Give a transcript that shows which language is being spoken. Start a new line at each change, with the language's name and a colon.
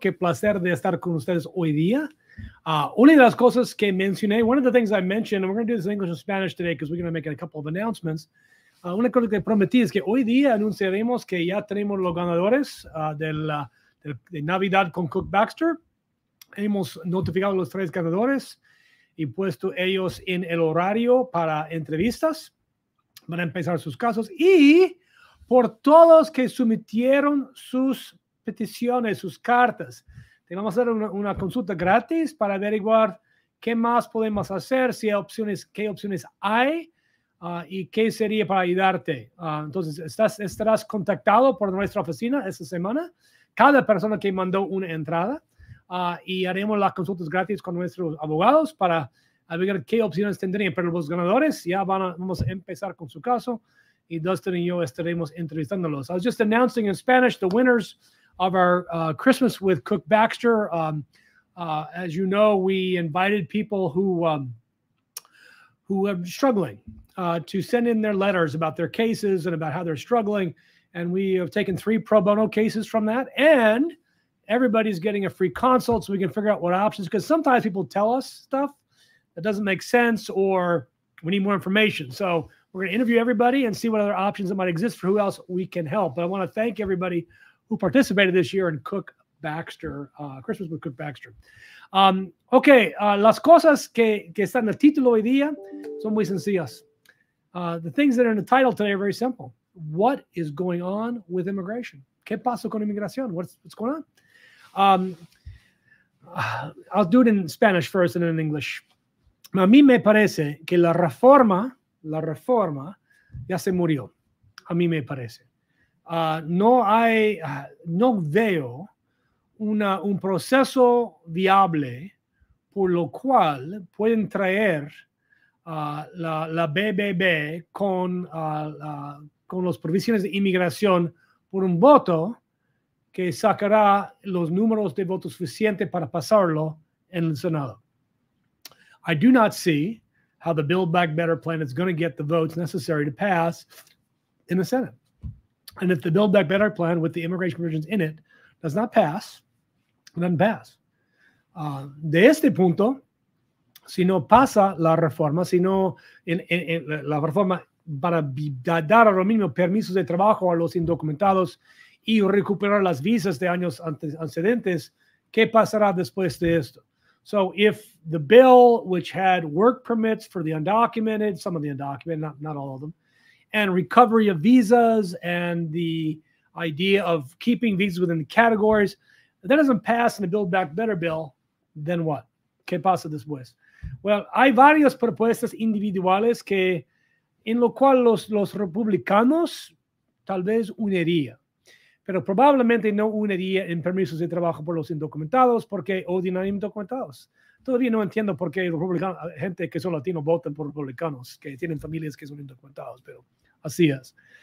Spanish: Qué placer de estar con ustedes hoy día. Una de las cosas que mencioné,
English: one of the things I mentioned, and we're going to do this in English and Spanish today because we're going to make a couple of announcements.
Spanish: Una cosa que prometí es que hoy día anunciaremos que ya tenemos los ganadores de Navidad con Cook Baxter. Hemos notificado a los tres ganadores y puesto ellos en el horario para entrevistas. Van a empezar sus casos y por todos que sometieron sus peticiones, sus cartas. Te vamos a hacer una consulta gratis para averiguar qué más podemos hacer, si hay opciones, qué opciones hay y qué sería para ayudarte. Entonces, estarás contactado por nuestra oficina esta semana, cada persona que mandó una entrada, y haremos las consultas gratis con nuestros abogados para averiguar qué opciones tendrían. Pero los ganadores ya vamos a empezar con su caso. Y Dustin y yo estaremos entrevistándolos.
English: I was just announcing in Spanish the winners of our Christmas with Cook Baxter. As you know, we invited people who are struggling to send in their letters about their cases and about how they're struggling. And we have taken three pro bono cases from that. And everybody's getting a free consult so we can figure out what options. Because sometimes people tell us stuff that doesn't make sense or we need more information. So we're going to interview everybody and see what other options that might exist for who else we can help. But I want to thank everybody who participated this year in Cook Baxter, Christmas with Cook Baxter.
Spanish: Las cosas que están en el título hoy día son muy sencillas.
English: The things that are in the title today are very simple. What is going on with immigration?
Spanish: ¿Qué pasó con inmigración?
English: What's going on? I'll do it in Spanish first and then in English.
Spanish: A mí me parece que la reforma ya se murió, a mí me parece. No veo un proceso viable por lo cual pueden traer la BBB con las provisiones de inmigración por un voto que sacará los números de votos suficientes para pasarlo en el Senado.
English: I do not see how the Build Back Better plan is going to get the votes necessary to pass in the Senate. And if the Build Back Better plan with the immigration provisions in it does not pass, it doesn't pass.
Spanish: De este punto, si no pasa la reforma, si no en la reforma para dar a lo mínimo permisos de trabajo a los indocumentados y recuperar las visas de años antecedentes, ¿qué pasará después de esto?
English: So if the bill, which had work permits for the undocumented, some of the undocumented, not all of them, and recovery of visas and the idea of keeping visas within the categories, if that doesn't pass in the Build Back Better bill, then what?
Spanish: ¿Qué pasa después? Well, hay varias propuestas individuales que en lo cual los republicanos tal vez uniría. Pero probablemente no uniría en permisos de trabajo por los indocumentados porque odian a los indocumentados. Todavía no entiendo por qué los republicanos, gente que son latinos, votan por republicanos que tienen familias que son indocumentados, pero así es.